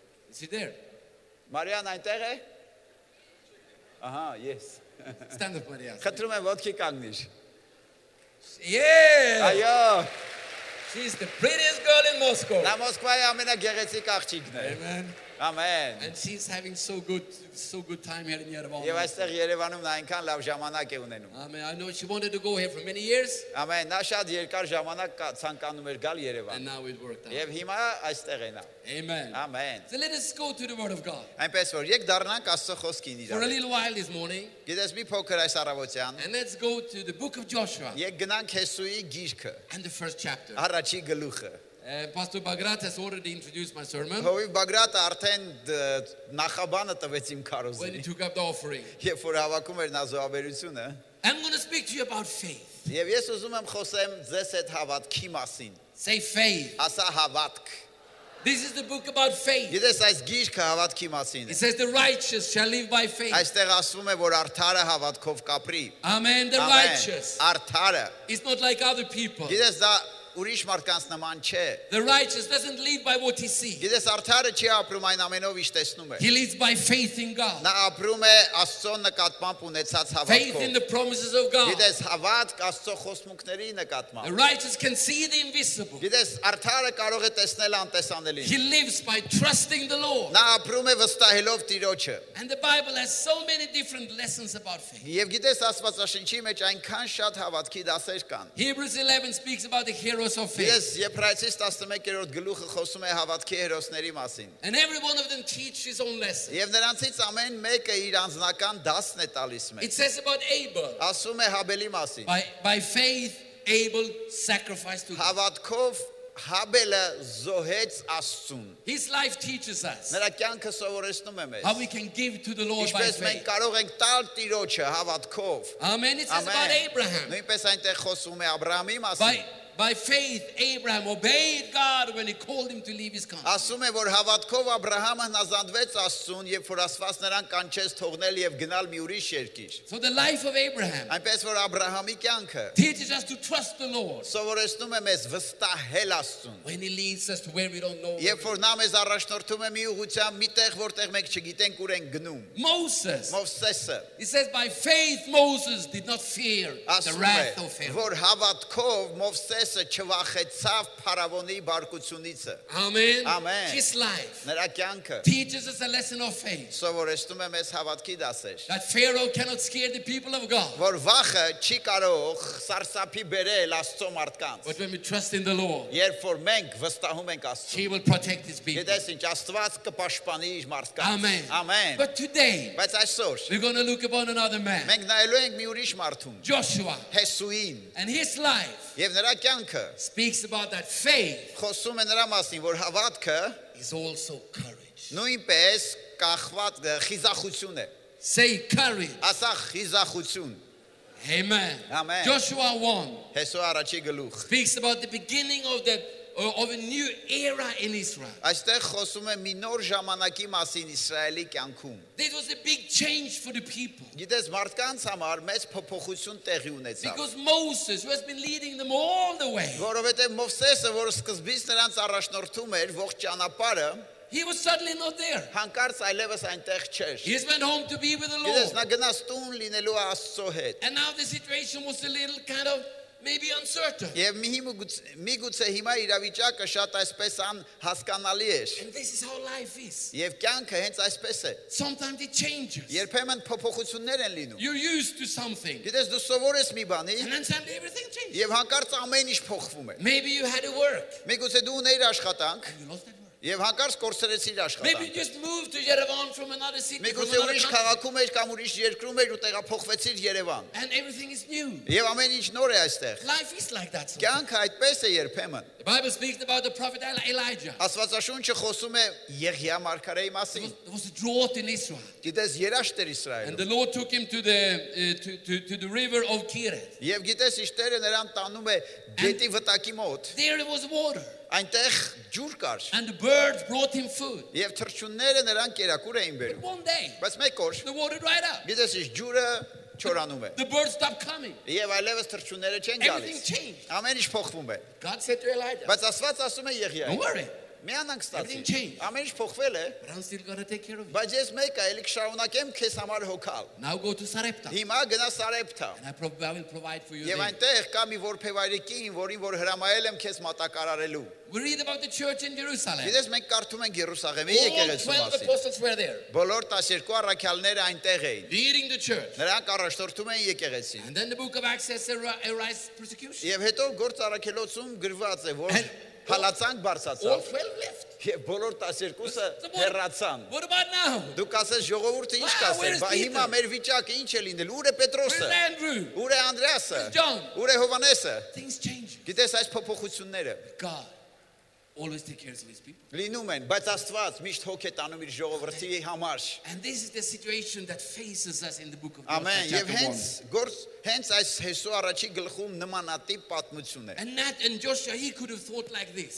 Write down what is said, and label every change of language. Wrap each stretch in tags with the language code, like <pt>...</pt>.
<en>Is she there?</en> <hy>Mariana, այնտեղ է։ Ահա,</hy> <en>yes. Stand up, Maria.</en> <hy>Խնդրում եմ, ոտքի կանգնիր։</hy> <en>Yeah!</en> <hy>Այո։</hy> <en>She's the prettiest girl in Moscow.</en> <hy>Նա Մոսկվայի ամենագեղեցիկ աղջիկն է։</hy> <en>Amen. Amen. And she's having so good time here in Yerevan.</en> <hy>Եվ այստեղ Երևանում նա այնքան լավ ժամանակ է ունենում։</hy> <en>Amen. I know she wanted to go here for many years. Amen.</en> <hy>Նա շատ երկար ժամանակ ցանկանում էր գալ Երևան։</hy> <en>And now it worked out.</en> <hy>Եվ հիմա այստեղ է նա։</hy> <en>Amen. Amen. So let us go to the word of God.</en> <hy>Այնպես որ եկ դառնանք Աստծո խոսքին իրար։</hy> <en>For a little while this morning.</en> <hy>Գիտես մի փոքր այս առավոտյան։</hy> <en>And let's go to the book of Joshua.</en> <hy>Եկ գնանք Հեսուի գիրքը։</hy> <en>And the first chapter.</en> <hy>Առաջի գլուխը։</hy> <en>Pastor Bagrat has already introduced my sermon.</en> <hy>Հովիվ Բագրատը արդեն նախաբանը տվեց իմ քարոզին.</hy> <en>When he took up the offering.</en> <hy>Եվ որ հավաքում էր նա զոհաբերությունը.</hy> <en>I'm going to speak to you about faith.</en> <hy>Եվ ես ուզում եմ խոսեմ ձեզ այդ հավատքի մասին.</hy> <en>Say faith.</en> <hy>Ասա հավատք.</hy> <en>This is the book about faith.</en> <hy>Եթե այս գիրքը հավատքի մասին է.</hy> <en>It says the righteous shall live by faith.</en> <hy>Այստեղ ասվում է որ արդարը հավատքով կապրի.</hy> <en>Amen. The righteous.</en> <hy>Արդարը.</hy> <en>It's not like other people.</en> <hy>Եթե դա ուրիշ մարդկանց նման չէ.</hy> <en>The righteous doesn't live by what he sees.</en> <hy>Եթե արդարը չի ապրում այն ամենով ինչ տեսնում է.</hy> <en>He lives by faith in God.</en> <hy>Նա ապրում է Աստծո նկատմամբ ունեցած հավատքով.</hy> <en>Faith in the promises of God.</en> <hy>Եթե հավատք Աստծո խոսմունքների նկատմամբ.</hy> <en>The righteous can see the invisible.</en> <hy>Եթե արդարը կարող է տեսնել անտեսանելին.</hy> <en>He lives by trusting the Lord.</en> <hy>Նա ապրում է վստահելով Տիրոջը.</hy> <en>And the Bible has so many different lessons about faith.</en> <hy>Եվ գիտես Աստվածաշնչի մեջ այնքան շատ հավատքի դասեր կան.</hy> <en>Hebrews 11 speaks about the heroes of faith.</en> <hy>Ես Եբրայցիներ 11-րդ գլուխը խոսում է հավատքի հերոսների մասին.</hy> <en>And every one of them teaches his own lesson.</en> <hy>Եվ նրանցից ամեն մեկը իր անձնական դասն է տալիս մեզ.</hy> <en>It says about Abel.</en> <hy>Ասում է Հաբելի մասին.</hy> <en>By faith Abel sacrificed to God.</en> <hy>Հավատքով Հաբելը զոհեց Աստծուն.</hy> <en>His life teaches us.</en> <hy>Նրա կյանքը սովորեցնում է մեզ.</hy> <en>How we can give to the Lord by faith.</en> <hy>Ինչպես մենք կարող ենք տալ Տիրոջը հավատքով.</hy> <en>Amen. It says about Abraham.</en> <hy>Նույնպես այնտեղ խոսում է Աբրահամի մասին.</hy> <en>By faith Abraham obeyed God when he called him to leave his country.</en> <hy>Ասում է որ հավատքով Աբրահամը հնազանդվեց Աստծուն, երբ որ Աստված նրան կանչեց թողնել եւ գնալ մի ուրիշ երկիր.</hy> <en>So the life of Abraham.</en> <hy>Այնպես որ Աբրահամի կյանքը.</hy> <en>Teaches us to trust the Lord.</en> <hy>Սովորեցնում է մեզ վստահել Աստծուն.</hy> <en>When he leads us to where we don't know.</en> <hy>Երբ որ նա մեզ առաջնորդում է մի ուղությամբ միտեղ որտեղ մենք չգիտենք ուր ենք գնում.</hy> <en>Moses.</en> <hy>Մովսեսը.</hy> <en>He says by faith Moses did not fear the wrath of Pharaoh.</en> <hy>Որ հավատքով Մովսեսը ես չվախեցավ Փարավոնի բարկությունից։ Ամեն։ Ամեն։</hy> <en>His life.</en> <hy>Նրա կյանքը։</hy> <en>Teaches us a lesson of faith.</en> <hy>Սովորեցնում է մեզ հավատքի դասեր։</hy> <en>That Pharaoh cannot scare the people of God.</en> <hy>Որ վախը չի կարող սարսափի բերել Աստծո մարդկանց։</hy> <en>But when we trust in the Lord.</en> <hy>Երբ որ մենք վստահում ենք Աստծուն։</hy> <en>He will protect his people.</en> <hy>Եթե ինչ Աստված կպաշտպանի իր մարդկանց։ Ամեն։ Ամեն։</hy> <en>But today.</en> <hy>Բայց այսօր։</hy> <en>We're going to look upon another man.</en> <hy>Մենք նայելու ենք մի ուրիշ մարդուն։</hy> <en>Joshua.</en> <hy>Հեսուին։</hy> <en>And his life.</en> <hy>Եվ նրա կյանքը</hy> <en>speaks about that faith.</en> <hy>Խոսում է նրա մասին, որ հավատքը</hy> <en>is also courage.</en> <hy>Նույնպես կախված խիզախություն է.</hy> <en>Say courage.</en> <hy>Ասա խիզախություն.</hy> <en>Amen. Amen. Joshua 1.</en> <hy>Հեսուա առաջի գլուխ.</hy> <en>Speaks about the beginning of the of a new era in Israel.</en> <hy>Այստեղ խոսում է մի նոր ժամանակի մասին Իսրայելի կյանքում.</hy> <en>This was a big change for the people.</en> <hy>Գիտես մարդկանց համար մեծ փոփոխություն տեղի ունեցավ.</hy> <en>Because Moses who has been leading them all the way.</en> <hy>Որովհետև Մովսեսը, որը սկզբից նրանց առաջնորդում էր ողջ ճանապարհը,</hy> <en>he was suddenly not there.</en> <hy>Հանկարծ այլևս այնտեղ չէր.</hy> <en>He went home to be with the Lord.</en> <hy>Գիտես նա գնաց տուն լինելու Աստծո հետ.</hy> <en>And now the situation was a little kind of maybe uncertain.</en> <hy>Եվ միգուցե հիմա իրավիճակը շատ այսպես անհասկանալի էր.</hy> <en>This is how life is.</en> <hy>Եվ կյանքը հենց այսպես է.</hy> <en>Sometimes it changes.</en> <hy>Երբեմն փոփոխություններ են լինում.</hy> <en>You're used to something.</en> <hy>Գիտես դու սովոր ես մի բանի։</hy> <en>And then suddenly everything changes.</en> <hy>Եվ հանկարծ ամեն ինչ փոխվում է։</hy> <en>Maybe you had a work.</en> <hy>Միգուցե դու ունեիր աշխատանք։ Եվ հանկարծ կորցրեց իր աշխատանքը։</hy> <en>Maybe you just moved to Yerevan from another city.</en> <hy>Միգուցե ուրիշ քաղաքում էր կամ ուրիշ երկրում էր ու տեղափոխվեցիր Երևան։</hy> <en>And everything is new.</en> <hy>Եվ ամեն ինչ նոր է այստեղ։</hy> <en>Life is like that.</en> <hy>Կյանքը այդպես է երբեմն։</hy> <en>The Bible speaks about the prophet Elijah.</en> <hy>Աստվածաշունչը խոսում է Եղիա մարգարեի մասին։</hy> <en>He was a drought in Israel.</en> <hy>Գիտես երաշտ էր Իսրայելում։</hy> <en>And the Lord took him to the to the river of Kereth.</en> <hy>Եվ գիտես ինչ Տերը նրան տանում է գետի վտակի մոտ։</hy> <en>There was water.</en> <hy>Այնտեղ ջուր կար։</hy> <en>And the birds brought him food.</en> <hy>Եվ թռչունները նրան կերակուր էին բերում։</hy> <en>One day.</en> <hy>Բայց մեկ օր։</hy> <en>The water dried up.</en> <hy>Գիտես ինչ ջուրը չորանում է։</hy> <en>The birds stopped coming.</en> <hy>Եվ այլևս թռչունները չեն գալիս։</hy> <en>Everything changed.</en> <hy>Ամեն ինչ փոխվում է։</hy> <en>God said to Elijah.</en> <hy>Բայց Աստված ասում է Եղիային։</hy> <en>Don't worry.</en> <hy>Միանանք ստացի։</hy> <en>Everything changed.</en> <hy>Ամեն ինչ փոխվել է։</hy> <en>But I'm going to take care of you.</en> <hy>Բայց ես մեկ էլի կշարունակեմ քեզ համար հոգալ։</hy> <en>Now go to Sarepta.</en> <hy>Հիմա գնա Սարեպտա։</hy> <en>And I will provide for you there.</en> <hy>Եվ այնտեղ կա մի որբևայրիկին, որին որ հրամայել եմ քեզ մատակարարելու։</hy> <en>We read about the church in Jerusalem.</en> <hy>Գիտես մենք կարդում ենք Երուսաղեմի եկեղեցու մասին։ Բոլոր 12 առաքյալները այնտեղ էին։</hy> <en>Leading the church.</en> <hy>Նրանք առաջնորդում էին եկեղեցին։</hy> <en>And then the book of Acts says arise persecution.</en> <hy>Եվ հետո Գործ առաքելոցում գրված է, որ հալածանք բարձացավ։</hy> <en>All 12 left.</en> <hy>Եվ բոլոր 12-ը հեռացան։</hy> <en>What about now?</en> <hy>Դուք ասես ժողովուրդը ինչ կասի, բա հիմա մեր վիճակը ինչ է լինել։ Ուր է Պետրոսը։ Ուր է Անդրեասը։</hy> <en>John.</en> <hy>Ուր է Հովանեսը։</hy> <en>Things change.</en> <hy>Գիտես այս փոփոխությունները։</hy> <en>God. always take care of his people.</en> <hy>Լինում են, բայց Աստված միշտ հոգ է տանում իր ժողովրդի համար.</hy> <en>And this is the situation that faces us in the book of Joshua. Amen.</en> <hy>Եվ հենց գործ, հենց այս Հեսու առաջի գլխում նմանատիպ պատմություն է.</hy> <en>And that in Joshua he could have thought like this.</en>